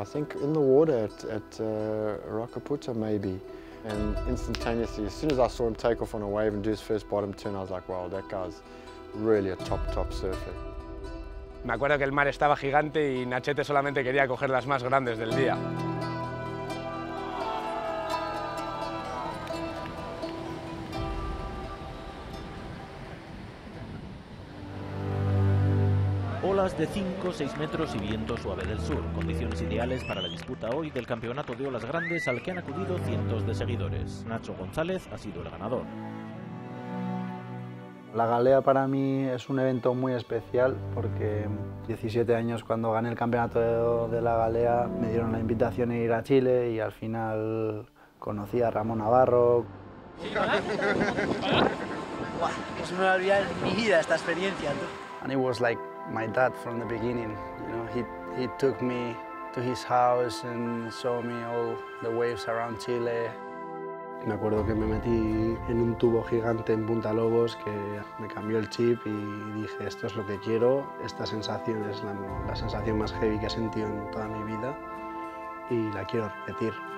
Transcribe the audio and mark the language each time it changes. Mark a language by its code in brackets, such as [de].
[en] I think in the water at Rakaputa maybe. And instantaneously, as soon as I saw him take off on a wave and do his first bottom turn, I was like, wow, that guy's really a top surfer. [es] Me acuerdo que el mar estaba gigante y Nachete solamente quería coger las más grandes del día. Olas de 5, 6 metros y viento suave del sur. Condiciones ideales para la disputa hoy del campeonato de olas grandes al que han acudido cientos de seguidores. Natxo Gonzalez ha sido el ganador. La Galea para mí es un evento muy especial porque 17 años cuando gané el campeonato de la Galea me dieron la invitación a ir a Chile y al final conocí a Ramón Navarro. Pues no me olvidé en mi vida esta experiencia. [en] And it was like my dad from the beginning. You know, he took me to his house and showed me all the waves around Chile. [es] Me acuerdo que me metí en un tubo gigante en Punta Lobos que me cambió el chip y dije, esto es lo que quiero. Esta sensación es la sensación más heavy que he sentido en toda mi vida y la quiero repetir.